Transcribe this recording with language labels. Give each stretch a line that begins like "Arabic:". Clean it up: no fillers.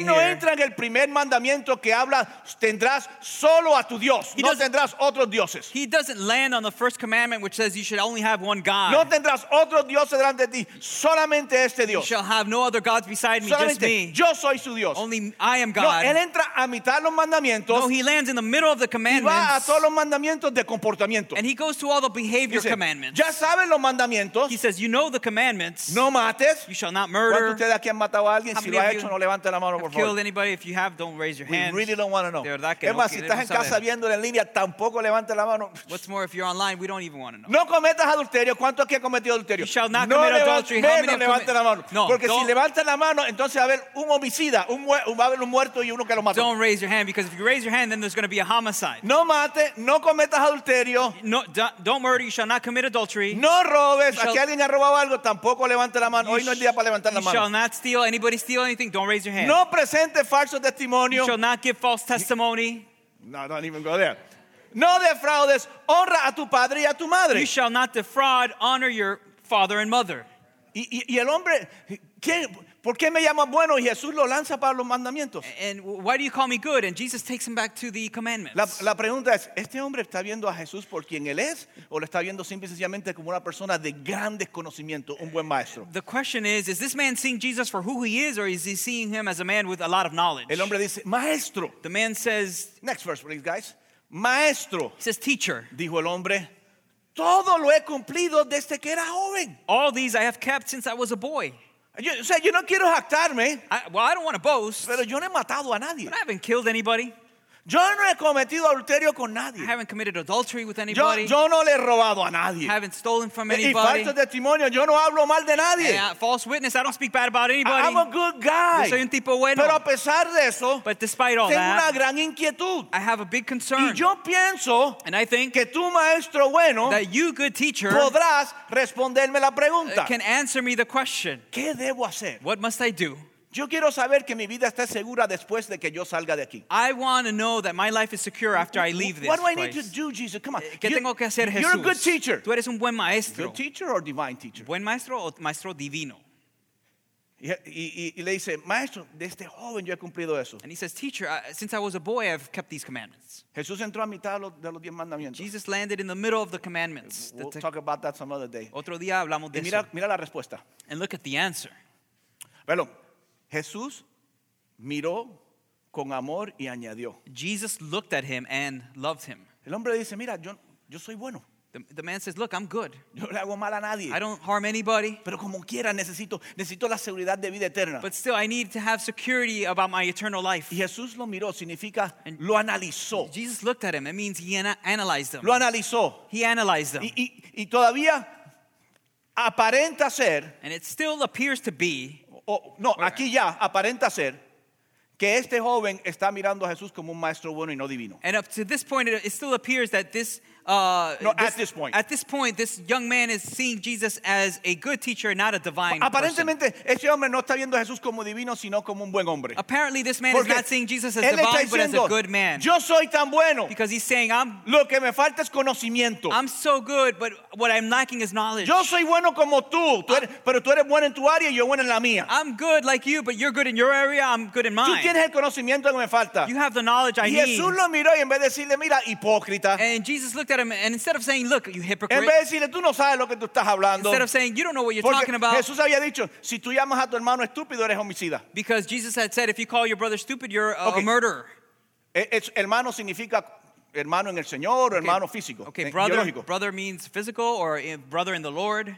Spanish: Él no entra en el primer mandamiento que habla tendrás solo a tu Dios. No tendrás otros dioses.
English: He doesn't land on the first commandment which says you should only have one God.
Spanish: No tendrás otros dioses delante de ti. Solamente este Dios.
English: You shall have no other gods beside me,
Spanish: solamente Yo soy su Dios.
English: Only I am God.
Spanish: No, él entra a mitad de los mandamientos.
English: No, he lands in the middle of the commandments.
Spanish: Va a todos los mandamientos de comportamiento.
English: And he goes to all the behavior commandments.
Spanish: Ya saben los mandamientos.
English: He says, you know the commandments.
Spanish: No mates.
English: You shall not murder.
Spanish: ¿Cuántos de ustedes aquí han matado a alguien? Si lo ha hecho, no levante la mano, por favor.
English: Have killed anybody? If you have, don't raise your hand. We really don't want to know.
Spanish: De verdad que es más, si estás en casa viendo en línea, tampoco levante la mano.
English: What's more, if you're online, we don't even want to know.
Spanish: No cometas adulterio. ¿Cuántos aquí han cometido adulterio?
English: You shall not commit adultery.
Spanish: No levante la mano. No. Porque si levantan la mano, entonces va a haber un homicida, va a haber un muerto y uno que lo mató.
English: Don't raise your hand, because if you raise your hand, then there's going to be a homicide.
Spanish: No mate, no cometas adulterio.
English: No, don't murder, you shall not commit adultery.
Spanish: No robes, aquí alguien ha robado algo, tampoco levante la mano. Hoy no es día para levantar la mano.
English: You shall not steal, anybody steal anything, don't raise your hand.
Spanish: No presente falso testimonio.
English: You shall not give false testimony. No, don't even go there.
Spanish: No defraudes, honra a tu padre y a tu madre.
English: You shall not defraud, honor your father and mother.
Spanish: Y el hombre, ¿qué? ¿Por qué me llamas bueno? Y Jesús lo lanza para los mandamientos.
English: And why do you call me good? And Jesus takes him back to the commandments.
Spanish: La pregunta es, ¿este hombre está viendo a Jesús por quien él es? ¿O lo está viendo simple y sencillamente como una persona de gran desconocimiento, un buen maestro?
English: The question is this man seeing Jesus for who he is, or is he seeing him as a man with a lot of knowledge?
Spanish: El hombre dice, maestro.
English: The man says, next verse please guys. Maestro. He says, teacher.
Spanish: Dijo el hombre, todo lo he cumplido desde que era joven.
English: All these I have kept since I was a boy.
Spanish: Yo, o sea, yo no quiero jactarme.
English: I don't want to boast.
Spanish: Pero yo no he matado a nadie.
English: But I haven't killed anybody.
Spanish: Yo no he cometido adulterio con nadie.
English: I haven't committed adultery with anybody.
Spanish: Yo no le he robado a nadie.
English: I haven't stolen from anybody.
Spanish: Y falso testimonio, yo no hablo mal de nadie.
English: And, false witness, I don't speak bad about anybody. I'm a good guy.
Spanish: Yo soy un tipo bueno. Pero a pesar de eso,
English: but despite all
Spanish: tengo
English: that,
Spanish: una gran inquietud.
English: I have a big concern.
Spanish: Y yo pienso,
English: and I think,
Spanish: que tu maestro bueno,
English: that you good teacher,
Spanish: podrás responderme la pregunta.
English: Can answer me the question.
Spanish: ¿Qué debo hacer?
English: What must I do?
Spanish: Yo quiero saber que mi vida está segura después de que yo salga de aquí.
English: I want to know that my life is secure after I leave this place. What do I need to do, Jesus? Come on.
Spanish: ¿Qué tengo que hacer, Jesús?
English: You're a good teacher.
Spanish: Tú eres un buen maestro.
English: Good teacher or divine teacher?
Spanish: Buen maestro o maestro divino. Y le dice, maestro, desde joven yo he cumplido eso.
English: And he says, teacher, since I was a boy, I've kept these commandments.
Spanish: Jesús entró a mitad de los 10 mandamientos.
English: Jesus landed in the middle of the commandments. We'll talk about that some other day.
Spanish: Otro día hablamos de eso. Y mira, eso. Mira la respuesta.
English: And look at the answer.
Spanish: Bueno, Jesús miró con amor y añadió.
English: Jesus looked at him and loved him.
Spanish: El hombre dice, mira, yo soy bueno.
English: The man says, look, I'm good.
Spanish: Yo no le hago mal a nadie.
English: I don't harm anybody.
Spanish: Pero como quiera, necesito la seguridad de vida eterna.
English: But still, I need to have security about my eternal life.
Spanish: Y Jesús lo miró, significa, and lo analizó.
English: Jesus looked at him. It means he analyzed him.
Spanish: Lo analizó.
English: He analyzed him.
Spanish: Y todavía aparenta ser.
English: And it still appears to be.
Spanish: Oh, no, aquí ya aparenta ser que este joven está mirando a Jesús como un maestro bueno y no divino.
English: And up to this point, it still appears that this At this point, this young man is seeing Jesus as a good teacher, not a divine
Spanish: aparentemente,
English: person.
Spanish: Ese hombre no está viendo a Jesús como divino, sino como un buen hombre.
English: Apparently, this man is not seeing Jesus as divine,
Spanish: diciendo,
English: but as a good man.
Spanish: Yo soy tan bueno.
English: Because he's saying, I'm,
Spanish: lo que me falta es conocimiento.
English: I'm so good, but what I'm lacking is knowledge.
Spanish: Yo soy bueno como tú, pero tú eres bueno en tu área y yo bueno en la mía.
English: I'm good like you, but you're good in your area, I'm good in mine.
Spanish: Tú tienes el conocimiento que me falta.
English: You have the knowledge I
Spanish: y Jesús
English: need.
Spanish: Lo miró y en vez de decirle, mira, hipócrita.
English: And Jesus looked at him and instead of saying, look, you hypocrite, instead of saying, you don't know what you're talking about,
Spanish: Jesús había dicho, si tú llamas a tu hermano estúpido, eres homicida.
English: Because Jesus had said, if you call your brother stupid, you're a murderer.
Spanish: Hermano significa hermano en el Señor o hermano físico.
English: Okay, brother means physical or brother in the Lord.